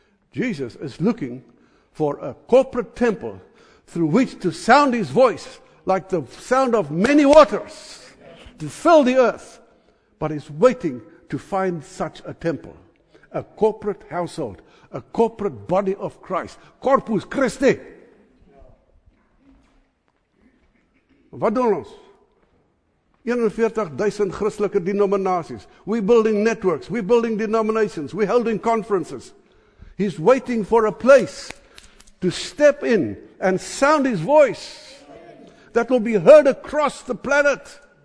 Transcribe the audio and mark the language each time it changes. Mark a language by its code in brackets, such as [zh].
[en] Jesus is looking for a corporate temple through which to sound his voice like the sound of many waters to fill the earth. But he's waiting to find such a temple, a corporate household, a corporate body of Christ, Corpus Christi. [af] Wat doen ons? [en] 41,000 Christelijke denominations. We're building networks. We're building denominations. We're holding conferences. He's waiting for a place to step in and sound his voice that will be heard across the planet.